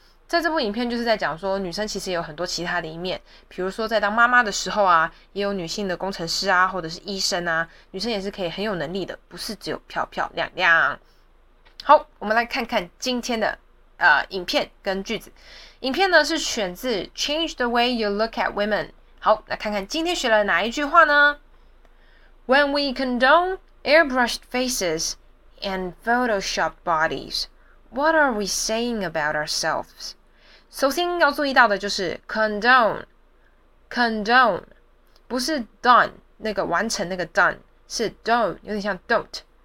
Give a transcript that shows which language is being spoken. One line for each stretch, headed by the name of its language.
Chinese: 在这部影片就是在讲说，女生其实也有很多其他的一面，比如说在当妈妈的时候啊，也有女性的工程师啊，或者是医生啊，女生也是可以很有能力的，不是只有漂漂亮亮。好，我们来看看今天的影片跟句子。影片呢是选自
English: Change the way you look at women。
Chinese: 好，来看看今天学了哪一句话呢。
English: When we condone airbrushed faces and photoshopped bodies, what are we saying about ourselves?
Chinese: 首先要注意到的就是 condone 不是 done， 那个完成那个 done 是 don't， 有点像 don't。